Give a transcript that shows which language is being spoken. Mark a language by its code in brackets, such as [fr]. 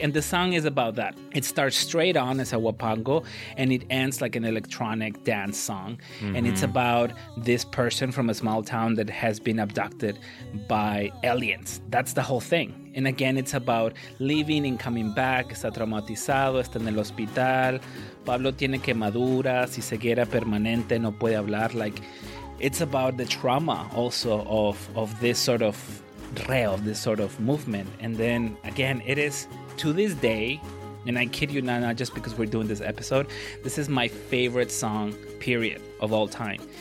[en] And the song is about that. It starts straight on as a huapango, and it ends like an electronic dance song. Mm-hmm. And it's about this person from a small town that has been abducted by aliens. That's the whole thing. And again, it's about leaving and coming back. [es] Está traumatizado, está en el hospital. Pablo tiene quemaduras y ceguera permanente, no puede hablar. [en] Like, it's about the trauma also of this sort of reo, this sort of movement. And then again, it is to this day, and I kid you not just because we're doing this episode, this is my favorite song period of all time.